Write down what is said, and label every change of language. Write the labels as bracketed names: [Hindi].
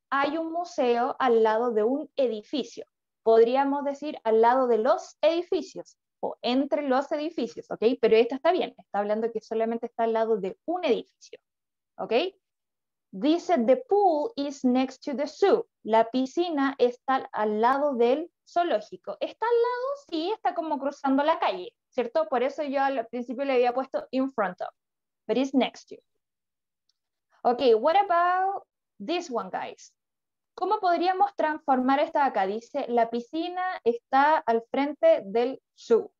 [Spanish] Hay un museo al lado de un edificio. Podríamos decir al lado de los edificios o entre los edificios, ¿ok? Pero esta está bien. Está hablando que solamente está al lado de un edificio, ¿ok? [English] Dice, the pool is next to the zoo. [Spanish] La piscina está al lado del zoológico. Está al lado, sí, está como cruzando la calle, ¿cierto? Por eso yo al principio le había puesto in front of. [English] But it's next to. Ok, what about this one, guys? [Spanish] ¿Cómo podríamos transformar esta acá? Dice, la piscina está al frente del zoo.